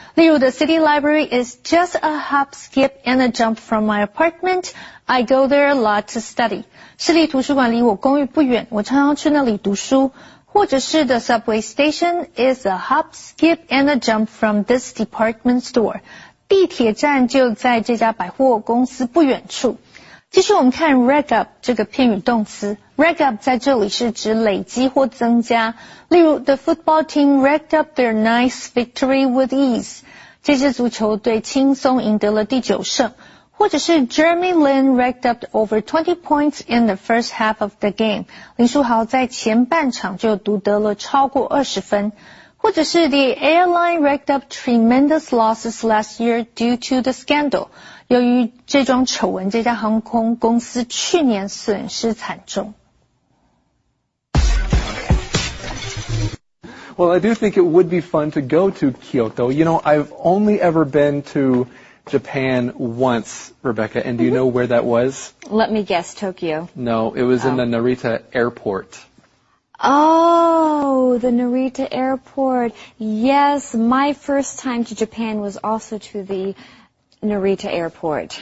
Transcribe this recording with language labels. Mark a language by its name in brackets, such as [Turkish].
[Chinese] 例如 [English] the city library is just a hop, skip, and a jump from my apartment. I go there a lot to study. [Chinese] 市立图书馆离我公寓不远，我常常去那里读书。或者是 [English] the subway station is a hop, skip, and a jump from this department store. [Chinese] 地铁站就在这家百货公司不远处。继续我们看 [English] rack up [Chinese] 这个片语动词。rack up 在这里是指累积或增加。例如 [English] the football team racked up their ninth victory with ease. [Chinese] 这支足球队轻松赢得了第九胜。或者是 [English] Jeremy Lin racked up over 20 points in the first half of the game. [Chinese] 林书豪在前半场就独得了超过20分。或者是 [English] The airline racked up tremendous losses last year due to the scandal. [Chinese] 由于这桩丑闻，这家航空公司去年损失惨重。 [English] Well, I do think it would be fun to go to Kyoto. You know, I've only ever been to... Japan once, Rebecca, and do you know where that was? Let me guess, Tokyo. No, it was in the Narita Airport. Oh, the Narita Airport. Yes, my first time to Japan was also to the Narita Airport.